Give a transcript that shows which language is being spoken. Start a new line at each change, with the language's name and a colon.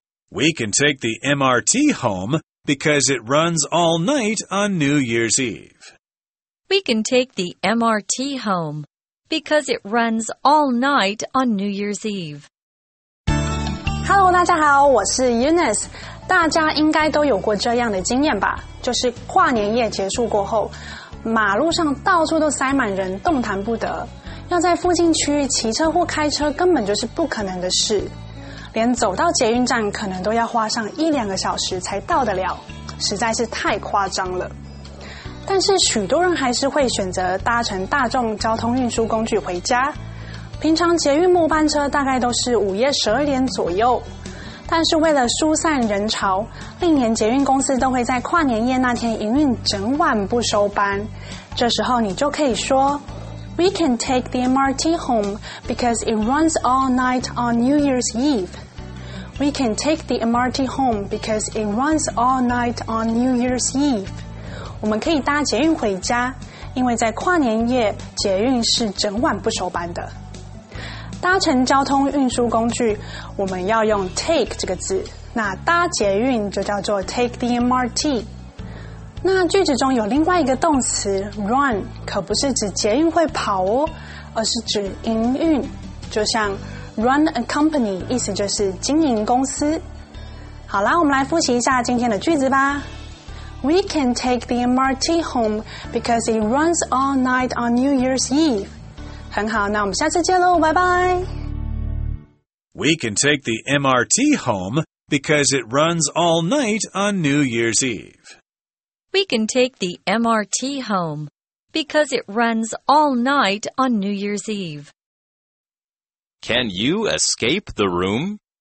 English: We can take the MRT home. Because it runs all night on New Year's Eve. We can take the MRT home because it runs all night on New Year's Eve.
Chinese: Hello, 大家好，我是 Eunice。大家应该都有过这样的经验吧？就是跨年夜结束过后，马路上到处都塞满人，动弹不得。要在附近区域骑车或开车，根本就是不可能的事。连走到捷运站可能都要花上一两个小时才到得了，实在是太夸张了。但是许多人还是会选择搭乘大众交通运输工具回家。平常捷运末班车大概都是午夜十二点左右，但是为了疏散人潮，历年捷运公司都会在跨年夜那天营运整晚不收班。这时候你就可以说
English: We can take the MRT home because it runs all night on New Year's Eve. We can take the MRT home because it runs all night on New Year's Eve.
Chinese: 我们可以搭捷运回家，因为在跨年夜，捷运是整晚不收班的。搭乘交通运输工具，我们要用 take 这个字，那搭捷运就叫做 take the MRT。那句子中有另外一个动词 run， 可不是指捷运会跑哦，而是指营运，就像
English: run a company
Chinese: 意思就是经营公司。好啦，我们来复习一下今天的句子吧。
English: We can take the MRT home because it runs all night on New Year's Eve.
Chinese: 很好，那我们下次见喽，拜拜。
English: We can take the MRT home because it runs all night on New Year's Eve. We can take the MRT home because it runs all night on New Year's Eve. Can you escape the room?